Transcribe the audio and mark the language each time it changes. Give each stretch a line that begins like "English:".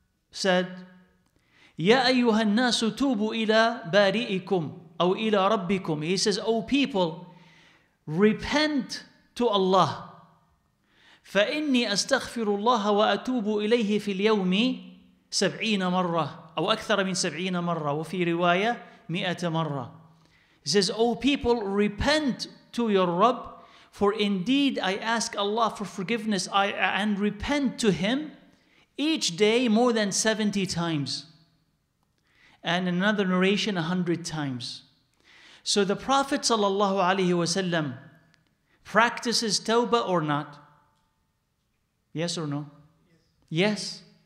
Arabic: said, يَا أَيُّهَا النَّاسُ تُوبُوا إِلَىٰ بَارِئِكُمْ أَوْ إِلَىٰ رَبِّكُمْ.
English: He says, O people, repent to Allah.
Arabic: فَإِنِّي أَسْتَغْفِرُ اللَّهَ وَأَتُوبُ إِلَيْهِ فِي الْيَوْمِ سَبْعِينَ مَرَّةً أو أكثر من سبعين مرة وفي رواية مئة مرة.
English: He says, O people, repent to your Rabb, for indeed I ask Allah for forgiveness and repent to Him each day more than 70 times. And in another narration, 100 times. So the Prophet sallallahu alaihi wasallam practices tawbah or not? Yes or no? Yes.